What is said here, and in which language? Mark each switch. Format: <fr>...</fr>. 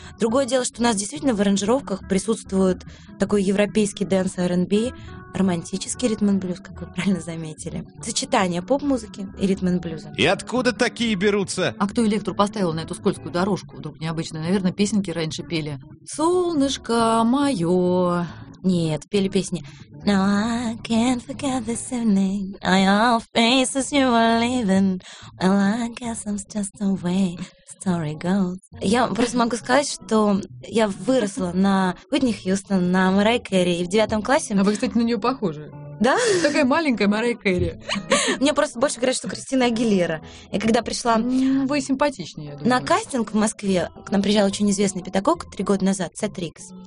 <ru>Другое дело, что у нас действительно в аранжировках присутствует такой европейский дэнс R&B. романтический ритм-н-блюз, как вы правильно заметили. Сочетание поп-музыки и ритм-н-блюза. И откуда такие берутся? А кто электро поставил на эту скользкую дорожку? Вдруг необычно. Наверное, песенки раньше пели. Солнышко мое. Нет, пели песни.</ru> <en>No, I can't forget this evening. All your faces you were leaving. Well, I guess I'm just the way story goes.</en> <ru>Я просто могу сказать, что я выросла на Уитни Хьюстон, на Мэрайе Кэри. И в 9 классе... А вы, кстати, на нее похожи. Да? Такая маленькая Мэрайе Кэри. Мне просто больше говорят, что Кристина Агилера. И когда пришла... Вы симпатичнее, я думаю. На кастинг в Москве к нам приезжал очень известный педагог 3 года назад, Сет Рикс.</ru>